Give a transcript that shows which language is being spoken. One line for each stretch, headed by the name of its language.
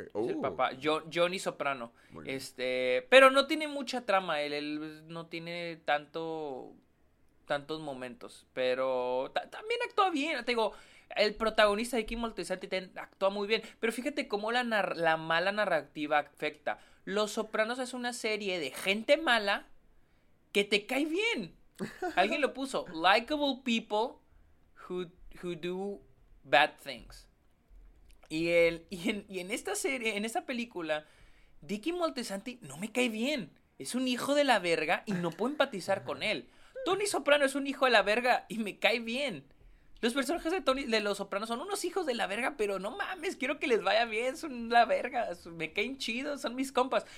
Spanish: Es el papá, Johnny Soprano. Pero no tiene mucha trama él no tiene tantos momentos, pero también actúa bien. Te digo, el protagonista de Kimmel Tessantiten actúa muy bien, pero fíjate cómo la mala narrativa afecta. Los Sopranos es una serie de gente mala que te cae bien. Alguien lo puso.
English: Likeable people who do bad things.
Spanish: Y en esta serie, en esta película, Dickie Moltisanti no me cae bien. Es un hijo de la verga y no puedo empatizar con él. Tony Soprano es un hijo de la verga y me cae bien. Los personajes de los Sopranos son unos hijos de la verga, pero no mames, quiero que les vaya bien, son la verga, me caen chidos, son mis compas.